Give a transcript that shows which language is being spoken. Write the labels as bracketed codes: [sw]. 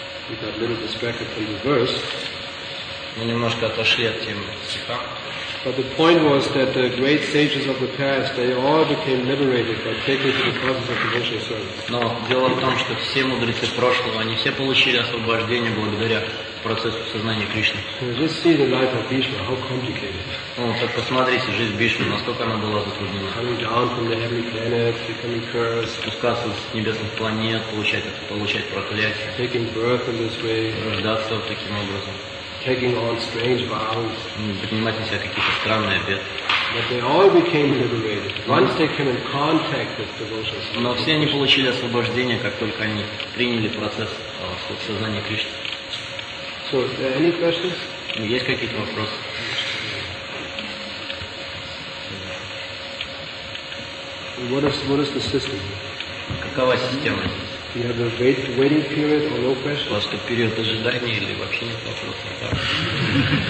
[en] We got a little distracted from the verse. [ru] Мы немножко отошли от темы стиха. [en] But the point was that the great sages of the past, they all became liberated by taking to the causes of devotional service. [ru] Но дело в том, что все мудрецы прошлого, они все получили освобождение благодаря процессу сознания Кришны. [en] Just see the life of Bhishma, how complicated. [ru] Ну, так посмотрите жизнь Бхишмы, насколько она была затруднена. [en] Coming down from the heavenly planets, becoming cursed. [ru] Спускаться с небесных планет, получать проклятие. [en] Taking birth in this way. [ru] Рождаться вот таким образом. [en] Taking on strange vows. [ru] Принимать на себя какие-то странные обеты. [en] But they all became liberated once they came in contact with devotional service. [ru] Но все они получили освобождение, как только они приняли процесс сознания Кришны. [en] So, is there any questions? [ru] Есть какие-то вопросы? [en] What is the system? [ru] Какова система? [en] You have a waiting period or no question? [ru] У вас тут период ожидания или вообще нет вопросов?